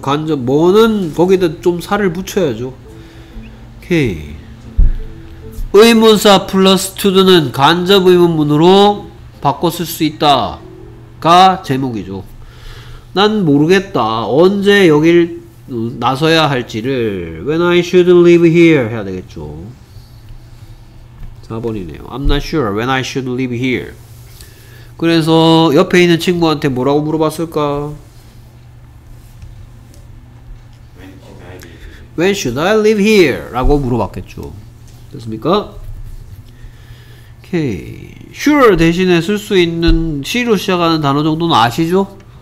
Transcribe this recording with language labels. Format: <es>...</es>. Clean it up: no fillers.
<ko>간접 뭐는 거기다 좀 살을 붙여야죠. 오케이. 의문사 플러스 투드는 간접 의문문으로 바꿔 쓸 수 있다 가 제목이죠. 난 모르겠다 언제 여길 나서야 할지를.</ko> <en>When I should live here</en> <ko>해야 되겠죠. 4번이네요</ko> <en>I'm not sure when I should live here. 그래서 옆에 있는 친구한테 뭐라고 물어봤을까? When should I When should I live here?</en> <ko>라고 물어봤겠죠. 됐습니까?</ko> <en>Okay.</en> <ko>Sure 대신에 쓸 수 있는 C로 시작하는 단어 정도는 아시죠?</ko>